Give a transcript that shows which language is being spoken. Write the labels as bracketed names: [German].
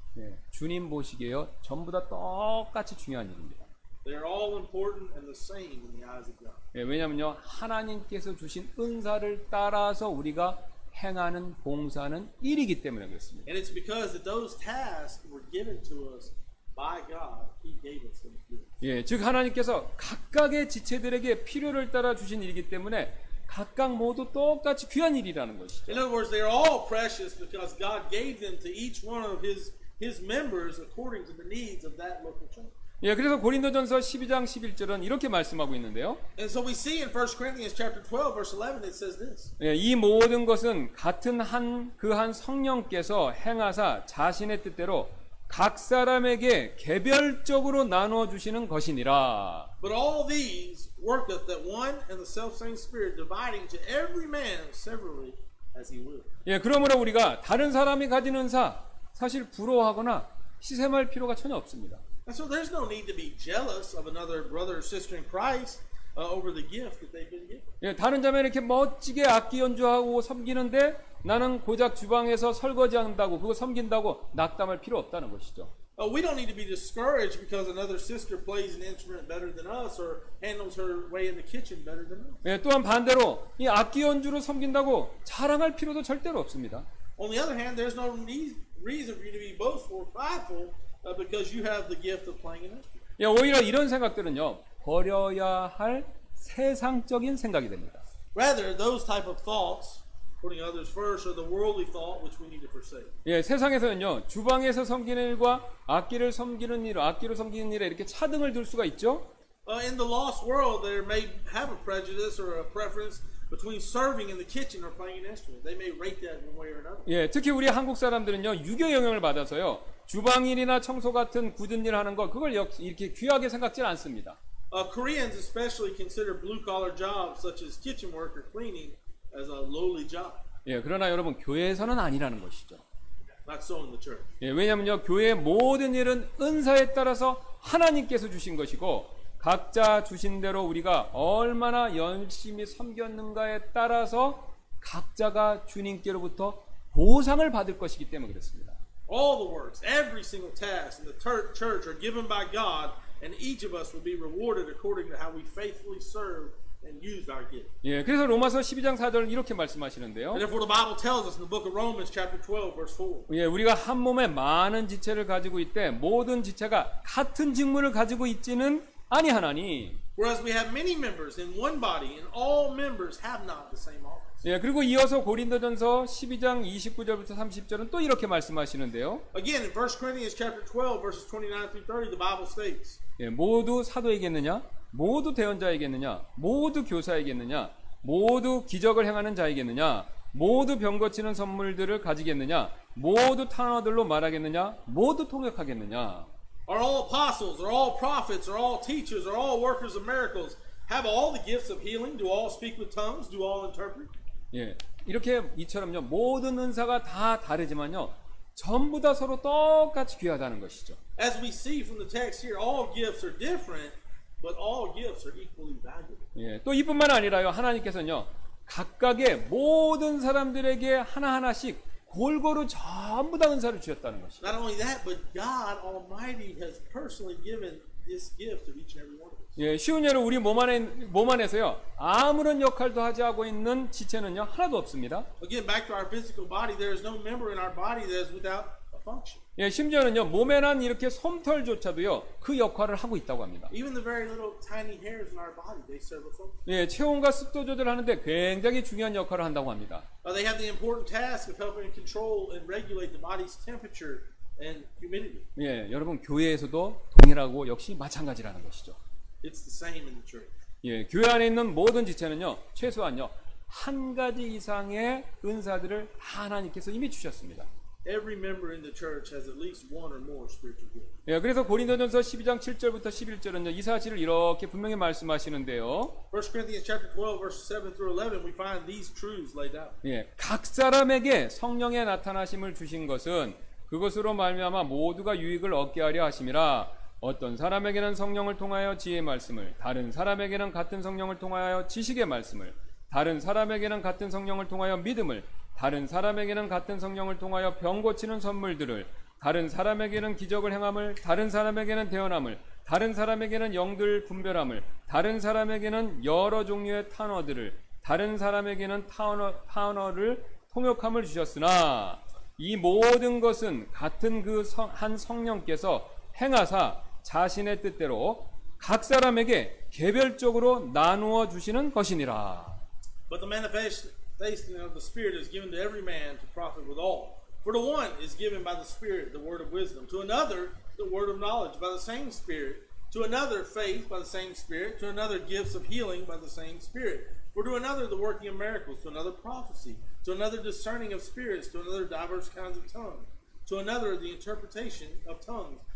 [Korean] 예, 주님 보시기에요, 전부 다 똑같이 중요한 일입니다. [English] They're all important and the same in the eyes of God. [Korean] 예, 왜냐면요, 하나님께서 주신 은사를 따라서 우리가 행하는 봉사는 일이기 때문에 그렇습니다. [English] And it's because that those tasks were given to us by God. He gave us them. [Korean] 예, 즉 하나님께서 각각의 지체들에게 필요를 따라 주신 일이기 때문에 각각 모두 똑같이 귀한 일이라는 것이죠. [English] In other words, they are all precious because God gave them to each one of his members according to the needs of that local church. [Korean] 예, 그래서 고린도전서 12장 11절은 이렇게 말씀하고 있는데요. [English] And so we see in 1 Corinthians chapter 12 verse 11 it says this. [Korean] 예, 이 모든 것은 같은 한 그 한 성령께서 행하사 자신의 뜻대로 각 사람에게 개별적으로 나누어 주시는 것이니라. [English] But all these worketh that one and the selfsame spirit dividing to every man severally as he will. [Korean] 예, 그러므로 우리가 다른 사람이 가진 은사 사실 부러워하거나 시샘할 필요가 전혀 없습니다. [English] And so there's no need to be jealous of another brother or sister in Christ over the gift that they've been given. [Korean] 예, 다른 자매 이렇게 멋지게 악기 연주하고 섬기는데 나는 고작 주방에서 설거지한다고 그거 섬긴다고 낙담할 필요 없다는 것이죠. [English] We don't need to be discouraged because another sister plays an instrument better than us or handles her way in the kitchen better than us. [Korean] 예, 또한 반대로 이 악기 연주로 섬긴다고 자랑할 필요도 절대로 없습니다. [English] On the other hand, there's no reason for you to be boastful or prideful. Because you have the gift of playing an instrument. [Korean] 예, 오히려 이런 생각들은요 버려야 할 세상적인 생각이 됩니다. [English] Rather, those type of thoughts, putting others first, are the worldly thought which we need to forsake. [Korean] 예, 세상에서는요 주방에서 섬기는 일과 악기를 섬기는 일, 악기로 섬기는 일에 이렇게 차등을 둘 수가 있죠. [English] In the lost world, there may have a prejudice or a preference between serving in the kitchen or playing an instrument. They may rate that one way or another. [Korean] 예, 특히 우리 한국 사람들은요 유교 영향을 받아서요. 주방일이나 청소 같은 굳은 일 하는 거 그걸 역시 이렇게 귀하게 생각지 않습니다. [English] Koreans especially consider blue-collar jobs such as kitchen work or cleaning as a lowly job. [Korean] 예, 그러나 여러분 교회에서는 아니라는 것이죠. [English] Not so in the church. [Korean] 예, 왜냐면요 교회의 모든 일은 은사에 따라서 하나님께서 주신 것이고 각자 주신 대로 우리가 얼마나 열심히 섬겼는가에 따라서 각자가 주님께로부터 보상을 받을 것이기 때문에 그렇습니다. [English] All the works, every single task in the church are given by God, and each of us will be rewarded according to how we faithfully serve and use our gift. [Korean] 예, 그래서 로마서 12장 4절은 이렇게 말씀하시는데요. [English] Therefore, the Bible tells us in the book of Romans, chapter 12, verse 4. [Korean] 예, 우리가 한 몸에 많은 지체를 가지고 있되 모든 지체가 같은 직무를 가지고 있지는 아니하나니. [English] Whereas we have many members in one body, and all members have not the same office. [Korean] 예, 그리고 이어서 고린도전서 12장 29절부터 30절은 또 이렇게 말씀하시는데요. [English] Again, in 1 Corinthians chapter 12 verses 29 through 30 the Bible states. [Korean] 예, 모두 사도에게느냐? 모두 대언자에게느냐? 모두 교사에게느냐? 모두 기적을 행하는 자에게느냐? 모두 병 고치는 선물들을 가지겠느냐? 모두 탄어들로 말하겠느냐? 모두 통역하겠느냐? [English] Are all apostles, are all prophets, are all teachers, are all workers of miracles? Have all the gifts of healing? Do all speak with tongues? Do all interpret? [Korean] 예, 이렇게 이처럼요 모든 은사가 다 다르지만요 전부 다 서로 똑같이 귀하다는 것이죠. [English] As we see from the text here, all gifts are different, but all gifts are equally valuable. [Korean] 예, 또 이뿐만 아니라요 하나님께서는요 각각의 모든 사람들에게 하나하나씩 골고루 전부 다 은사를 주셨다는 것이. [English] Not only that, but God Almighty has personally given this gift to each and every one of us. [Korean] 예, 쉬운 예로 우리 몸 안에서요 아무런 역할도 하지 않고 있는 지체는요 하나도 없습니다. [English] Again, back to our physical body, there is no member in our body that is without a function. [Korean] 예, 심지어는요 몸에 난 이렇게 솜털조차도요 그 역할을 하고 있다고 합니다. [English] Even the very little tiny hairs in our body, they serve a function. [Korean] 예, 체온과 습도 조절하는데 굉장히 중요한 역할을 한다고 합니다. [English] They have the important task of helping control and regulate the body's temperature and humidity. [Korean] 예, 여러분 교회에서도 동일하고 역시 마찬가지라는 것이죠. [English] It's the same in the church. [Korean] 예, 교회 안에 있는 모든 지체는요 최소한요 한 가지 이상의 은사들을 다 하나님께서 이미 주셨습니다. [English] Every member in the church has at least one or more spiritual gifts. [Korean] 예, 그래서 고린도전서 12장 7절부터 11절은요 이 사실을 이렇게 분명히 말씀하시는데요. [English] 1 Corinthians chapter 12 verse 7 through 11 we find these truths laid out. [Korean] 예, 각 사람에게 성령의 나타나심을 주신 것은 그것으로 말미암아 모두가 유익을 얻게 하려 하심이라. 어떤 사람에게는 성령을 통하여 지혜의 말씀을, 다른 사람에게는 같은 성령을 통하여 지식의 말씀을, 다른 사람에게는 같은 성령을 통하여 믿음을, 다른 사람에게는 같은 성령을 통하여 병 고치는 선물들을, 다른 사람에게는 기적을 행함을, 다른 사람에게는 대언함을, 다른 사람에게는 영들 분별함을, 다른 사람에게는 여러 종류의 탄어들을, 다른 사람에게는 탄어를 통역함을 주셨으나 이 모든 것은 같은 그 한 성령께서 행하사 자신의 뜻대로 각 사람에게 개별적으로 나누어 주시는 것이니라. [English] But the manifestation of the Spirit is given to every man to profit with all. For to one is given by the Spirit the word of wisdom, to another the word of knowledge by the same Spirit, to another faith by the same Spirit, to another gifts of healing by the same Spirit, for to another the working of miracles, to another prophecy, to another discerning of spirits, to another diverse kinds of tongues, to another the interpretation of tongues.